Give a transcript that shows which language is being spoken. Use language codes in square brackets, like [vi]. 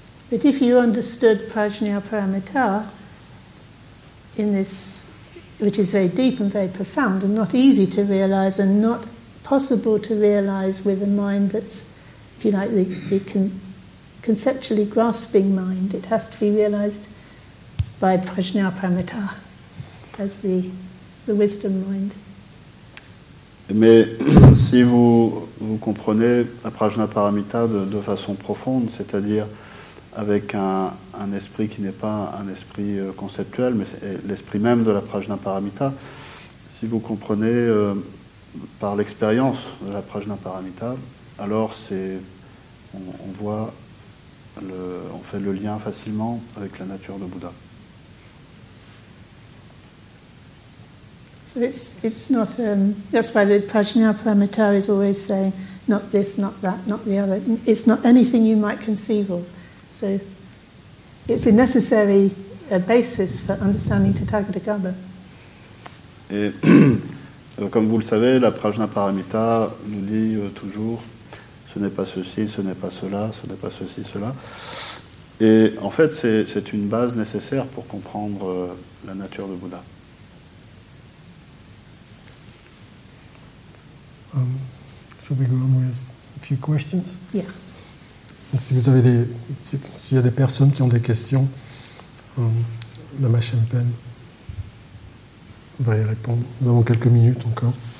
[en] But if you understood Prajnaparamita in this, which is very deep and very profound and not easy to realize and not possible to realize with a mind that's, if you like, the conceptually grasping mind, it has to be realized by Prajnaparamita as the wisdom mind. [fr] Mais si vous comprenez la Prajnaparamita de façon profonde, c'est-à-dire avec un esprit qui n'est pas un esprit conceptuel, mais c'est l'esprit même de la Prajnaparamita, si vous comprenez par l'expérience de la Prajnaparamita, alors on fait le lien facilement avec la nature de Bouddha. [en] So it's not that's why the Prajnaparamita is always saying not this, not that, not the other. It's not anything you might conceive of. So it's a necessary basis for understanding Tathagatagarbha. [fr] Et comme vous le savez, la Prajnaparamita nous dit toujours ce n'est pas ceci, ce n'est pas cela, ce n'est pas ceci, cela. Et en fait, c'est une base nécessaire pour comprendre la nature de Bouddha. [en] Should we go on with a few questions? Yeah. [fr] Si vous avez s'il y a des personnes qui ont des questions, Lama Shenpen va y répondre. Nous avons quelques minutes encore.